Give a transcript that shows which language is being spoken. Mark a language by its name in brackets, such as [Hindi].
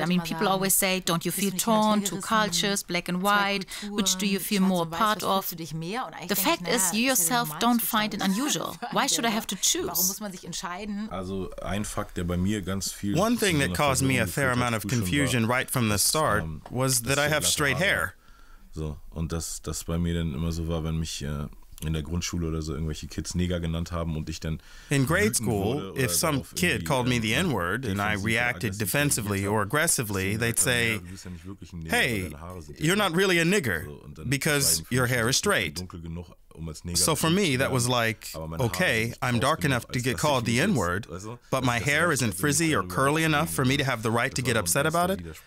[English] I mean, people always say, don't you feel torn, two cultures, black and white, which do you feel more a part of? The fact is, you yourself don't find it unusual. Why should I have to choose? One thing that caused me a fair amount of confusion right from the start was that I have straight hair. [German] Und das bei mir dann immer so war, wenn mich in der Grundschule oder so irgendwelche Kids Neger genannt haben und ich dann [English] in grade school, if some kid called me the N-word and I reacted defensively or aggressively, they'd say, hey, you're not really a nigger because your hair is straight. So for me, that was like, okay, I'm dark enough to get called the N-word, but my hair isn't frizzy or curly enough for me to have the right to get upset about it.